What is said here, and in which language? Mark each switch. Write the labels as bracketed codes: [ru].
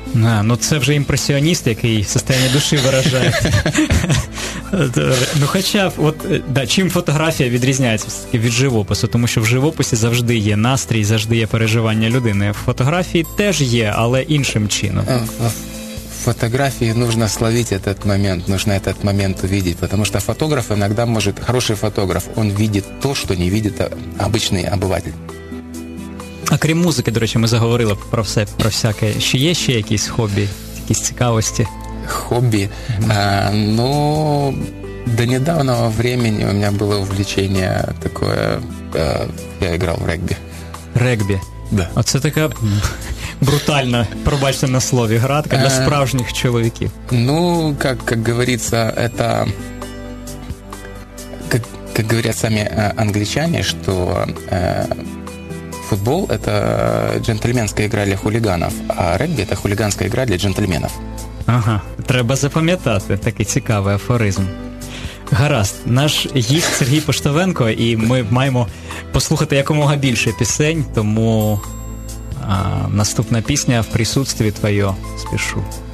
[uk] А, ну це вже імпресіоніст, який [ru] состояние души выражает. [uk] Ну хоча б, от, да, чим фотографія відрізняється від живопису? Тому що в живописі завжди є настрій, завжди є переживання людини. В фотографії теж є, але іншим чином. [ru] Фотографии нужно словить этот момент, нужно этот момент увидеть, потому что фотограф иногда может, хороший фотограф, он видит то, что не видит обычный обыватель. [uk] А крім музыки, до речі, ми заговорили про все, про всяке. Чи є ще якісь хобі, якісь цікавості? [ru] хобби. Но до недавнего времени у меня было увлечение такое. Я играл в регби. Регби? Да. [uk] А це така брутальна, пробачте на слові, гратка для справжніх чоловіків. [ru] Ну, как говорится, это... Как говорят сами англичане, что футбол – это джентльменская игра для хулиганов, а регби – это хулиганская игра для джентльменов. [uk] Ага, треба запам'ятати, такий цікавий афоризм. Гаразд, наш гість Сергій Поштовенко, і ми маємо послухати якомога більше пісень, тому наступна пісня «В присутствии твоє» спішу.